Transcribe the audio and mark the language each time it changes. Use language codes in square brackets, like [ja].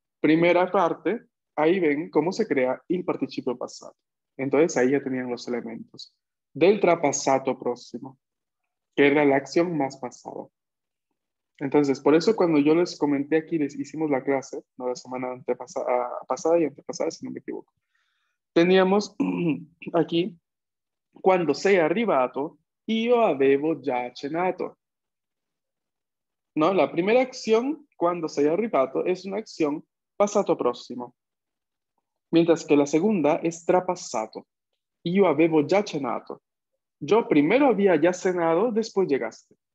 [es] Primera parte, ahí ven cómo se crea el participio passato. Entonces, ahí ya tenían los elementos del trapassato prossimo, que era la acción más pasada. Entonces, por eso cuando yo les comenté aquí, les hicimos la clase, no la semana pasada y antepasada, si no me equivoco. Teníamos aquí, cuando [it] sei arrivato, io avevo già cenato. [es] ¿No? La primera acción, cuando [it] sei arrivato, [es] es una acción pasado próximo. Mientras que la segunda es trapassato. [it] Io avevo già cenato. [es] Yo primero había ya cenado, después llegaste.